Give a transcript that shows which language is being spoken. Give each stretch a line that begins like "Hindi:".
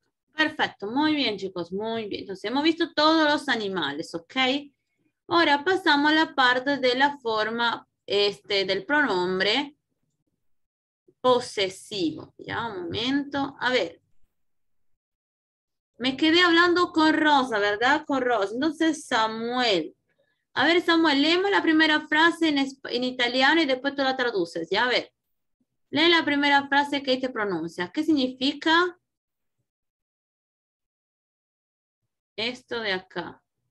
Italian: Perfetto,
Spanish: muy bien, chicos, muy bien. Entonces, hemos visto todos los animales, ok?
Italian: Ora passiamo alla parte della forma del pronombre possessivo.
Spanish: Ya, un momento. A ver. Me quedé hablando con Rosa, ¿verdad? Con Rosa. Entonces, Samuel. A ver, Samuel, leemos la primera frase en italiano y después tú la traduces. Ya, a ver. Lee la primera frase que ahí te pronuncia. ¿Qué significa esto de acá?